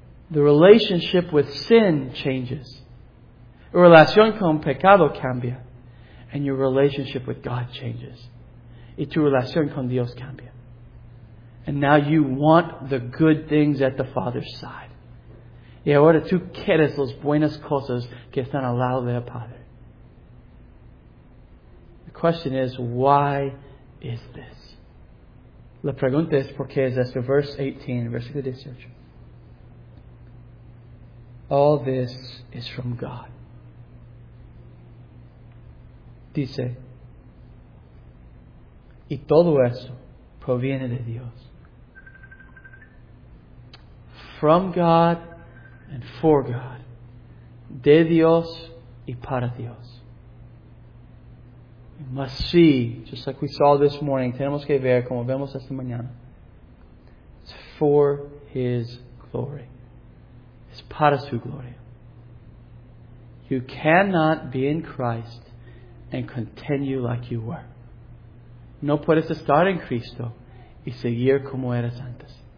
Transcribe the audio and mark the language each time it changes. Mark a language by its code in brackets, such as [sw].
[en] The relationship with sin changes. [es] La relación con pecado cambia. [en] And your relationship with God changes. [es] Y tu relación con Dios cambia. [en] And now you want the good things at the Father's side. [es] Y ahora tú quieres las buenas cosas que están al lado del Padre. [en] Question is, why is this? [es] La pregunta es, ¿por qué es esto? [en] Verse 18, [es] versículo 18. [en] All this is from God. [es] Dice, y todo esto proviene de Dios. [en] From God and for God. [es] De Dios y para Dios. [en] We must see, just like we saw this morning, [es] tenemos que ver, como vemos esta mañana. [en] It's for His glory. It's [es] para su gloria. [en] You cannot be in Christ and continue like you were. [es] No puedes estar en Cristo y seguir como eras antes.